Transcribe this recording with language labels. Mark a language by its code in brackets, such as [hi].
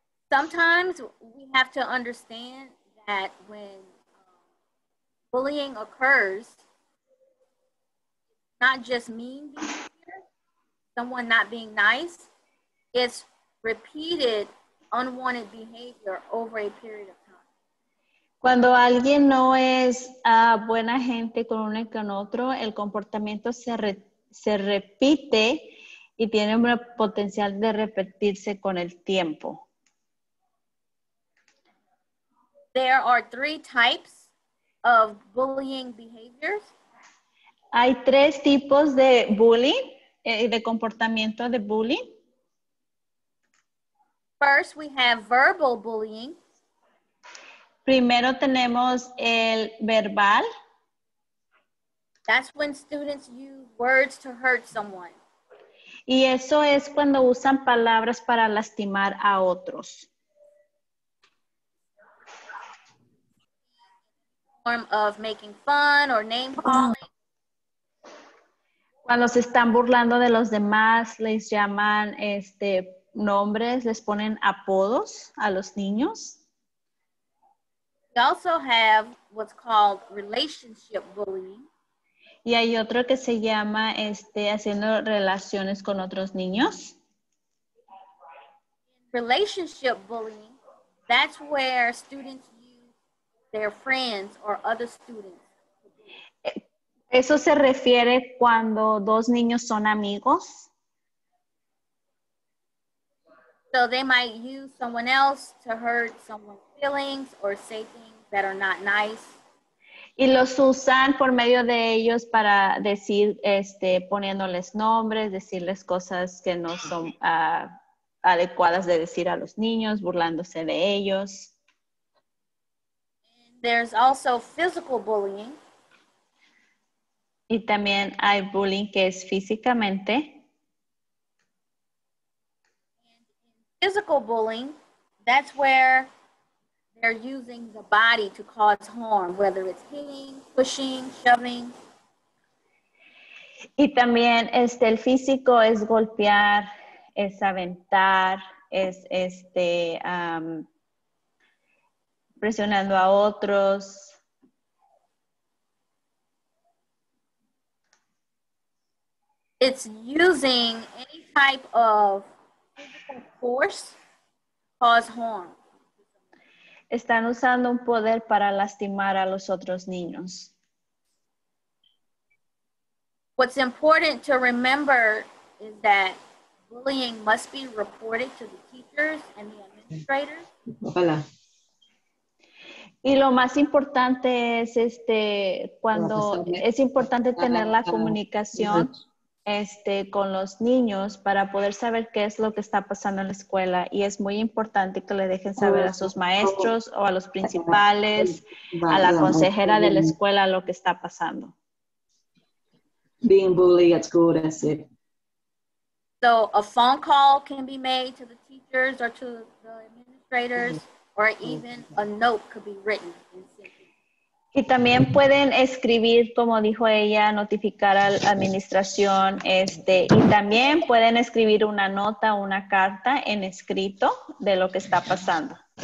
[en] Sometimes we have to understand that when bullying occurs, not just mean behavior, someone not being nice, it's repeated unwanted behavior over a period of time. [es] Cuando alguien no es buena gente con uno y con otro, el comportamiento se repite y tiene un potencial de repetirse con el tiempo. [en] There are three types of bullying behaviors. [es] Hay tres tipos de bullying, de comportamiento de bullying. [en] First, we have verbal bullying. [es] Primero tenemos el verbal. [en] That's when students use words to hurt someone. [es] Y eso es cuando usan palabras para lastimar a otros. [en] Form of making fun or name calling. [es] Cuando se están burlando de los demás, les llaman nombres, les ponen apodos a los niños. [en] We also have what's called relationship bullying. [es] Y hay otro que se llama haciendo relaciones con otros niños. [en] Relationship bullying, that's where students use their friends or other students. [es] Eso se refiere cuando dos niños son amigos. [en] So they might use someone else to hurt someone's feelings or say things that are not nice. [es] Y los usan por medio de ellos para decir, poniéndoles nombres, decirles cosas que no son adecuadas de decir a los niños, burlándose de ellos. [en] And there's also physical bullying. [es] Y también hay bullying que es físicamente. [en] And in physical bullying, that's where they're using the body to cause harm, whether it's hitting, pushing, shoving. [es] Y también el físico es golpear, es aventar, es presionando a otros. [en] it's using any type of physical force to cause harm. [es] Están usando un poder para lastimar a los otros niños. [en] What's important to remember is that bullying must be reported to the teachers and the administrators. [es] Hola. Y lo más importante es cuando es importante tener la comunicación con los niños para poder saber qué es lo que está pasando en la escuela. Y es muy importante que le dejen saber a sus maestros o a los principales, a la consejera de la escuela lo que está pasando. [en] Being bullied at school, that's it. So a phone call can be made to the teachers or to the administrators, or even a note could be written. [es] Y también pueden escribir, como dijo ella, notificar a la administración, y también pueden escribir una nota, una carta en escrito de lo que está pasando.